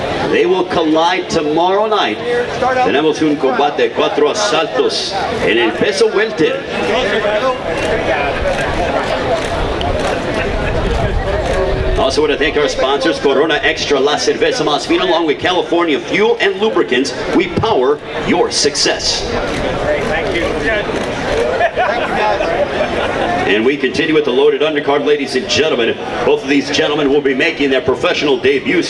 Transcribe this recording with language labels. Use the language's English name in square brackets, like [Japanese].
[English] They will collide tomorrow night. [Spanish] Tenemos un combate, cuatro asaltos en el peso welter. [English] Also want to thank our sponsors, Corona Extra, La Cerveza Más Vino, along with California Fuel and Lubricants. We power your success. And we continue with the loaded undercard, ladies and gentlemen. Both of these gentlemen will be making their professional debuts.